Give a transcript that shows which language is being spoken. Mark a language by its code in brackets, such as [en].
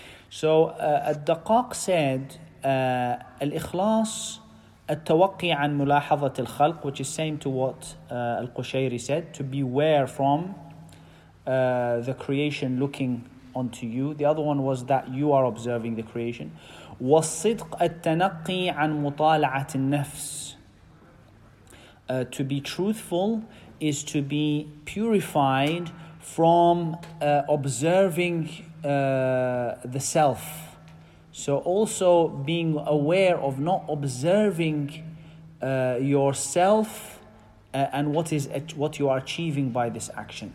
[en] So Al-Daqaq said, [ar] Al-Ikhlas At-Tawaqqi an Mulahazat Al-Khalq, [en] which is same to what Al-Qushayri said, to beware from the creation looking onto you. The other one was that you are observing the creation. [ar] والصدق التنقي عن مطالعة النفس. [en] To be truthful is to be purified from observing the self. So also being aware of not observing yourself and what you are achieving by this action.